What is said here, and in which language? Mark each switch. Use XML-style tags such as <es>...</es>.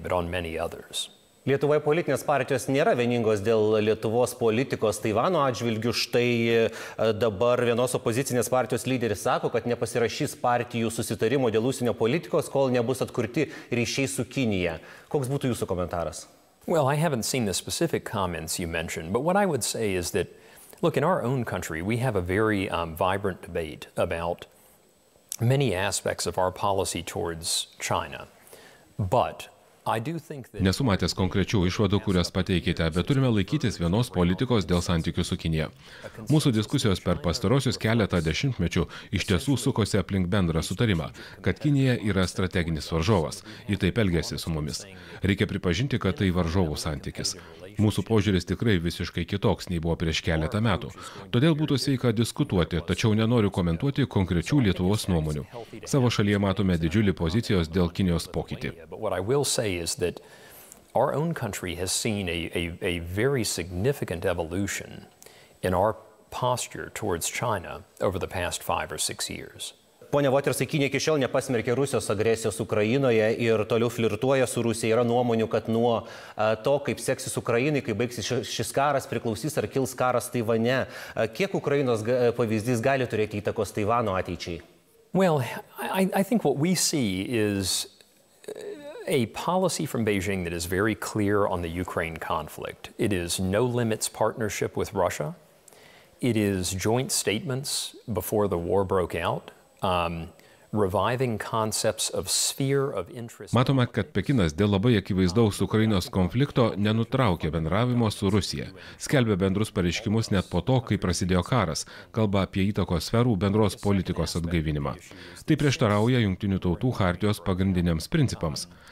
<lt>Lietuvoje politinės partijos nėra vieningos dėl Lietuvos politikos Taivano atžvilgių. Štai dabar vienos opozicinės partijos lyderis sako, kad nepasirašys partijų susitarimo dėl užsienio politikos, kol nebus atkurti ryšiai su Kinija. Koks būtų jūsų komentaras?</lt> <en>Well, I haven't seen the specific comments you mentioned, but what I would say is that, look, in our own country, we have a very vibrant debate about many aspects of our policy towards China, but</en> <lt>Nesu matęs konkrečių išvadų, kurias pateikite, bet turime laikytis vienos politikos dėl santykių su Kinija. Mūsų diskusijos per pastarosius keletą dešimtmečių iš tiesų sukosi aplink bendrą sutarimą, kad Kinija yra strateginis varžovas, ji taip elgiasi su mumis. Reikia pripažinti, kad tai varžovų santykis. Mūsų požiūris tikrai visiškai kitoks nei buvo prieš keletą metų. Todėl būtų sveika diskutuoti, tačiau nenoriu komentuoti konkrečių Lietuvos nuomonių. Savo šalyje matome didžiulį pozicijos dėl Kinijos pokytį.</lt> <en>Is that our own country has seen a very significant evolution in our posture towards China over the past 5 or 6 years.</en> <lt>Ponia Votersai, Kinija iki šiol nepasmerkė Rusijos agresijos Ukrainoje ir toliau flirtuoja su Rusija. Yra nuomonių, kad nuo to, kaip seksis Ukrainai, kai baigsis šis karas, priklausys ar kils karas Taivane. Kiek Ukrainos pavyzdys gali turėti įtakos Taivano ateičiai?</lt> <en>Well, I think what we see is a policy from Beijing that is very clear on the Ukraine conflict. It is no limits partnership with Russia. It is joint statements before the war broke out. Reviving concepts of sphere of interest.</en> <lt>Matome, kad Pekinas dėl labai akivaizdaus Ukrainos konflikto nenutraukė bendravimo su Rusija. Skelbė bendrus pareiškimus net po to, kai prasidėjo karas, kalba apie įtakos sferų bendros politikos atgaivinimą. Tai prieštarauja Jungtinių Tautų chartijos pagrindiniams principams.</lt>